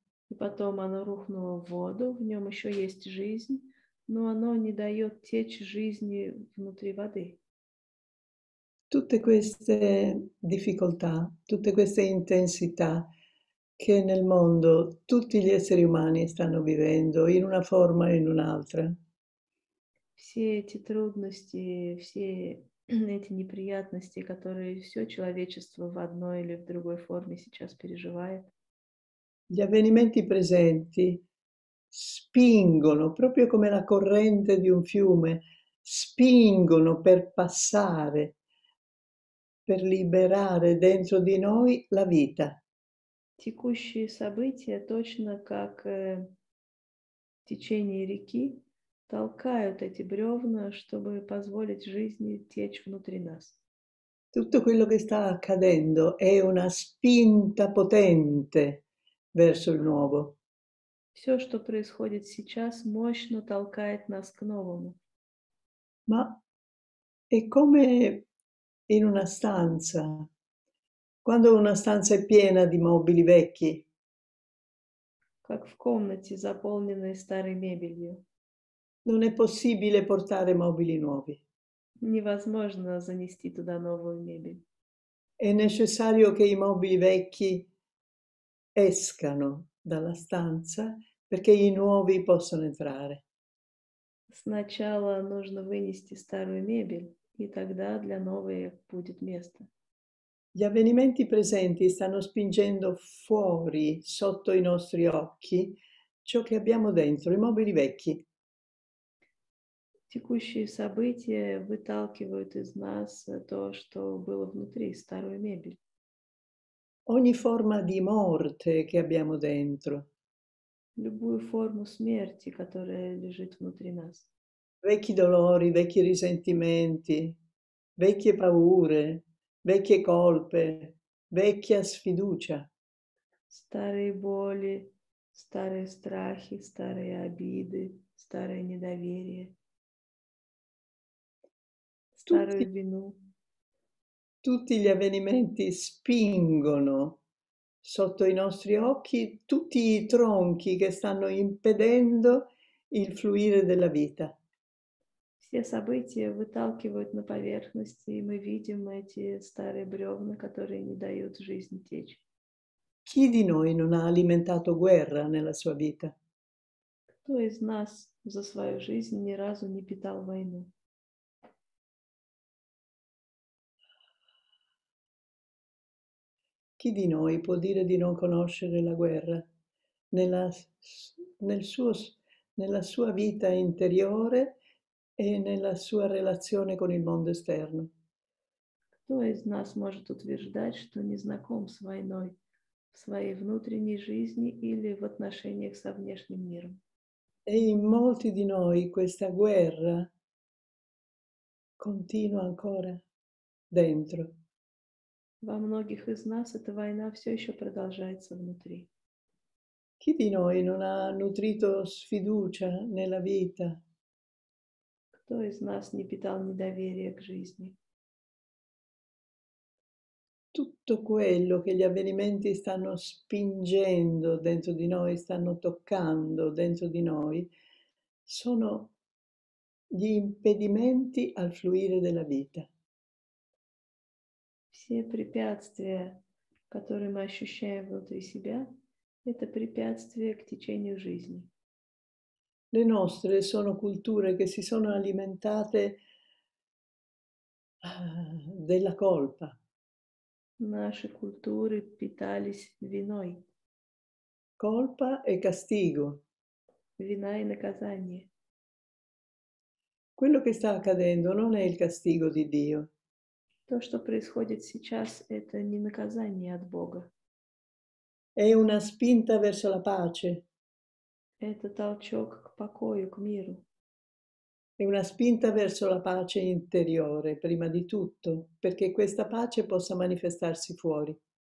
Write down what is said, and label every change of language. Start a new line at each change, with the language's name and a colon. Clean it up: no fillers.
Russian: И потом оно рухнуло в воду, в нем еще есть жизнь, но оно не дает течь жизни внутри воды.
Italian: Tutte queste difficoltà, tutte queste intensità che nel mondo tutti gli esseri umani stanno vivendo in una forma o in un'altra.
Russian: Все эти трудности, все эти неприятности, которые все человечество в одной или в другой форме сейчас переживает.
Italian: Gli avvenimenti presenti spingono, proprio come la corrente di un fiume, spingono per passare. Per liberare dentro di noi la vita.
Russian: Текущие события, точно как течение реки, толкают эти бревна, чтобы позволить жизни течь внутри нас.
Italian: Tutto quello che sta accadendo è una spinta potente verso il nuovo.
Russian: Все, что происходит сейчас, мощно толкает нас к новому.
Italian: Ma è come in una stanza, quando una stanza è piena di mobili vecchi.
Russian: Как в комнате, заполненной старой мебелью.
Italian: Non è possibile portare mobili nuovi.
Russian: Невозможно занести туда новую мебель.
Italian: È necessario che i mobili vecchi escano dalla stanza perché i nuovi possono entrare.
Russian: Сначала нужно вынести старую мебель. И тогда для новой будет место.
Italian: Gli avvenimenti presenti stanno spingendo fuori, sotto i nostri occhi, ciò che abbiamo dentro, i mobili vecchi.
Russian: Текущие события выталкивают из нас то, что было внутри, старую мебель.
Italian: Ogni forma di morte che abbiamo dentro.
Russian: Любую форму смерти, которая лежит внутри нас.
Italian: Vecchi dolori, vecchi risentimenti, vecchie paure, vecchie colpe, vecchia sfiducia.
Russian: Старые боли, старые страхи, старые обиды, старое недоверие, старую вину.
Italian: Tutti gli avvenimenti spingono sotto i nostri occhi tutti i tronchi che stanno impedendo il fluire della vita.
Russian: Все события выталкивают на поверхность, и мы видим эти старые бревна, которые не дают жизни течь.
Italian: Chi di noi non ha alimentato guerra nella sua vita?
Russian: Кто из нас за свою жизнь ни разу не питал войну?
Italian: Chi di noi può dire di non conoscere la guerra nella sua vita interiore? E nella sua relazione con il mondo esterno.
Russian: Хто из нас может утверждать, что не знаком с войной в своей внутренней жизни или в отношениях со внешним миром?
Italian: E in molti di noi questa guerra continua ancora dentro.
Russian: Во многих из нас эта война все еще продолжается внутри.
Italian: Chi di noi non ha nutrito sfiducia nella vita?
Russian: Кто из нас не питал недоверия к жизни?
Italian: Tutto quello che gli avvenimenti stanno spingendo dentro di noi, stanno toccando dentro di noi, sono gli impedimenti al fluire della vita.
Russian: Все препятствия, которые мы ощущаем внутри себя, это препятствия к течению жизни.
Italian: Le nostre sono culture che si sono alimentate della colpa.
Russian: Наши культуры питались виной.
Italian: Colpa e castigo.
Russian: Вина и наказание.
Italian: Quello che sta accadendo non è il castigo di Dio.
Russian: То, что происходит сейчас, это не наказание от Бога.
Italian: È una spinta verso la pace.
Russian: Это толчок к покою, к миру.
Italian: È una spinta verso la pace interiore, prima di tutto, perché questa pace possa manifestarsi fuori.